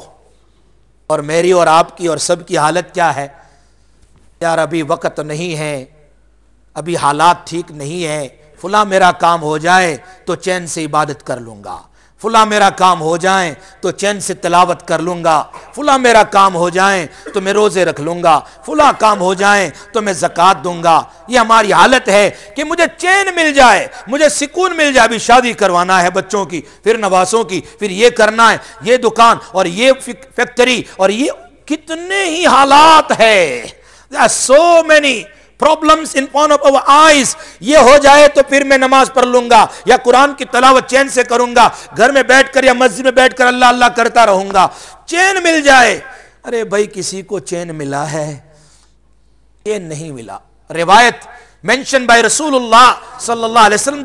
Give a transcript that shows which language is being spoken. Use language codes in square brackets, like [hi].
[ur] اور میری اور آپ کی اور سب کی حالت کیا ہے یار، ابھی وقت نہیں ہے، ابھی حالات ٹھیک نہیں ہیں، فلاں میرا کام ہو جائے تو چین سے عبادت کر لوں گا، فلاں میرا کام ہو جائیں تو چین سے تلاوت کر لوں گا، فلاں میرا کام ہو جائیں تو میں روزے رکھ لوں گا، فلاں کام ہو جائیں تو میں زکوٰۃ دوں گا. یہ ہماری حالت ہے کہ مجھے چین مل جائے، مجھے سکون مل جائے. ابھی شادی کروانا ہے بچوں کی، پھر نواسوں کی، پھر یہ کرنا ہے، یہ دکان اور یہ فیکٹری اور یہ، کتنے ہی حالات ہے. [en] There are so many problems in front of our eyes. [ur] یہ ہو جائے تو پھر میں نماز پڑھ لوں گا یا قرآن کی تلاوت چین سے کروں گا، گھر میں بیٹھ کر یا مسجد میں بیٹھ کر اللہ اللہ کرتا رہوں گا، چین مل جائے. ارے بھائی، کسی کو چین ملا ہے؟ چین نہیں ملا. روایت mentioned by رسول اللہ صلی اللہ علیہ وسلم.